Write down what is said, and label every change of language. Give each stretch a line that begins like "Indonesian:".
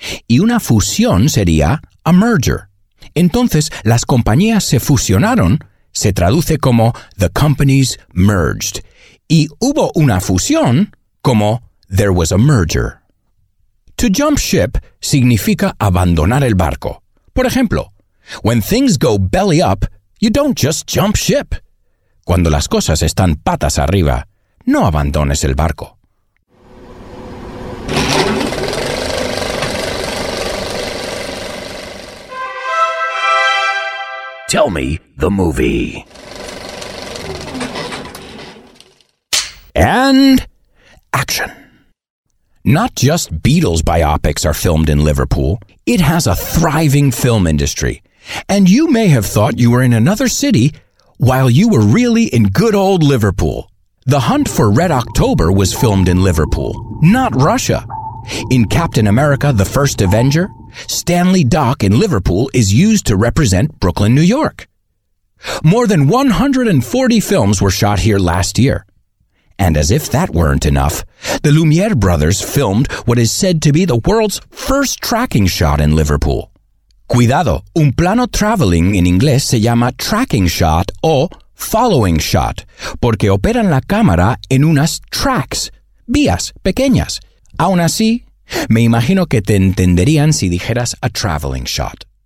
Spanish: Y una fusión sería a merger. Entonces, las compañías se fusionaron se traduce como
English: the companies merged.
Spanish: Y hubo una fusión como
English: there was a merger. To jump ship
Spanish: significa abandonar el barco. Por ejemplo,
English: when things go belly up, you don't just jump ship.
Spanish: Cuando las cosas están patas arriba, no abandones el barco.
English: Tell me the movie. And action. Not just Beatles biopics are filmed in Liverpool. It has a thriving film industry. And you may have thought you were in another city while you were really in good old Liverpool. The Hunt for Red October was filmed in Liverpool, not Russia. In Captain America, The First Avenger, Stanley Dock in Liverpool is used to represent Brooklyn, New York. More than 140 films were shot here last year. And as if that weren't enough, the Lumiere brothers filmed what is said to be the world's first tracking shot in Liverpool.
Spanish: Cuidado, un plano traveling in inglés se llama tracking shot o following shot, porque operan la cámara en unas tracks, vías pequeñas. Aún así, me imagino que te entenderían si dijeras
English: a traveling shot.